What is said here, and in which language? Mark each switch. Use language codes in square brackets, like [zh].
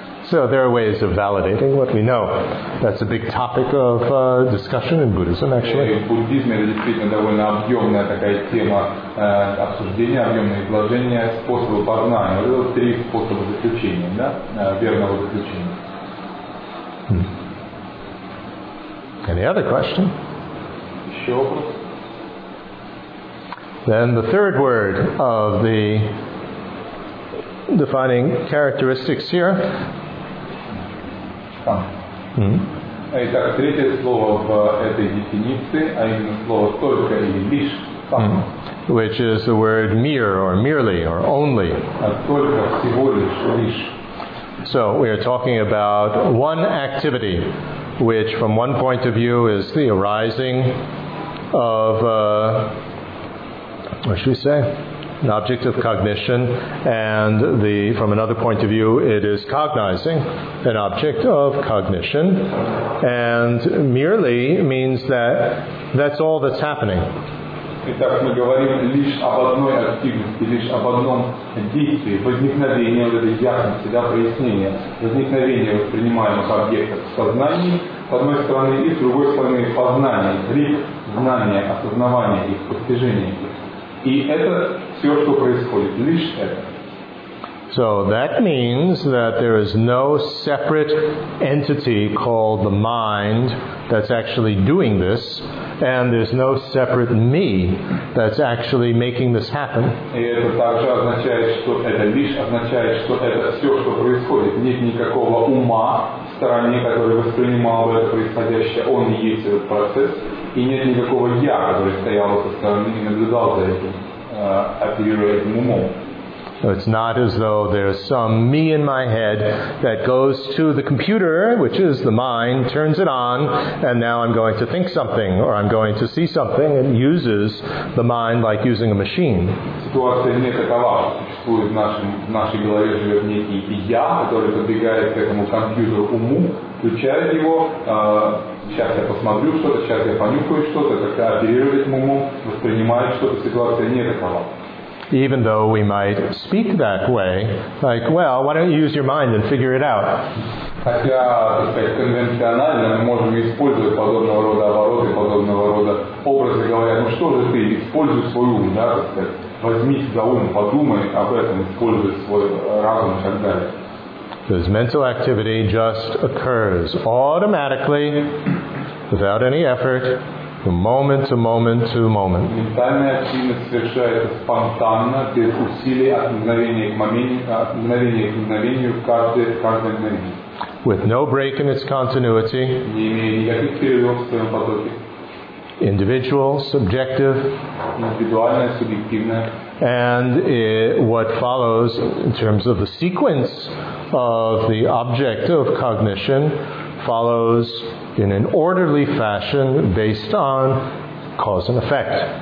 [en] So there are ways of validating what we know. That's a big topic of discussion in Buddhism, actually. [ru] В буддизме это действительно довольно объемная такая тема обсуждения, объемное изложение способов познания. Это три способа заключения, да, верного заключения. [en] Any other question? [ru] Еще вопрос? [en] Then the third word of the defining characteristics here. [ru] Итак, третье слово в этой дефиниции, а именно слово «только» или «лишь» сам. [en] Which is the word «mere» or «merely» or «only». [ru] Только, всего лишь, лишь. [en] So we are talking about one activity, which from one point of view is the arising of, what should we say? An object of cognition, and the from another point of view, it is cognizing an object of cognition, and merely means that that's all that's happening. [ru] Итак, мы говорим лишь об одной активности, лишь об одном действии, возникновение вот этой ясности, да, прояснение, возникновение воспринимаемых объектов в сознании, с одной стороны, и с другой стороны, познание, лишь знание, осознавание их, постижение их. И это все, что происходит, лишь это. [en] So that means that there is no separate entity called the mind that's actually doing this, and there's no separate me that's actually making this happen. [ru] И это также означает, что это лишь означает, что это все, что происходит. Нет никакого ума в стороне, который воспринимал бы это происходящее, он и есть этот процесс, и нет никакого я, который стоял со стороны и наблюдал за этим, оперируя умом. [en] So it's not as though there's some me in my head that goes to the computer, which is the mind, turns it on, and now I'm going to think something, or I'm going to see something, and uses the mind like using a machine. [ru] Ситуация не такова. Существует в нашей голове живет некий я, который подбегает к этому компьютеру уму, включает его, сейчас я посмотрю что-то, сейчас я понюхаю что-то, как-то оперирует этим умом, воспринимает что-то, ситуация не такова. [en] Even though we might speak that way, like, well, why don't you use your mind and figure it out? [ru] Хотя, так сказать, конвенционально мы можем использовать подобного рода обороты, подобного рода образы, говоря, ну что же ты, используй свой ум, да, так сказать, возьмись за ум, подумай об этом, используй свой разум и так далее. [en] This mental activity just occurs automatically, without any effort, moment to moment to moment. [ru] Ментальная активность совершается спонтанно, без усилий, от мгновения к мгновению, каждое мгновение. [en] With no break in its continuity. [ru] Не имея никаких перерывов в своем потоке. [en] Individual, subjective. [ru] Индивидуальное, субъективное. [en] And what follows in terms of the sequence of the object of cognition follows in an orderly fashion based on cause and effect.